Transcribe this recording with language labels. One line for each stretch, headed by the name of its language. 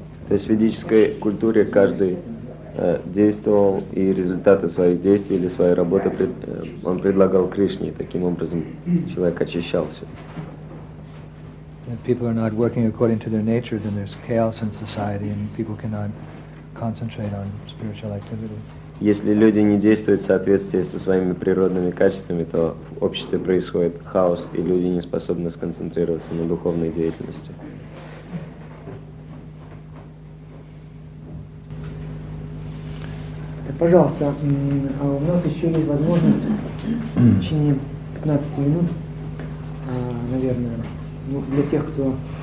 Russian: То есть в ведической культуре каждый действовал и результаты своих действий или своей работы он предлагал Кришне, и таким образом человек очищался.
English: If people are not working according to their nature, then there's chaos in society and people cannot concentrate on spiritual activity.
Russian: Если люди не действуют в соответствии со своими природными качествами, то в обществе происходит хаос, и люди не способны сконцентрироваться на духовной деятельности. Так, пожалуйста, у нас еще есть возможность в течение 15 минут, наверное, для тех, кто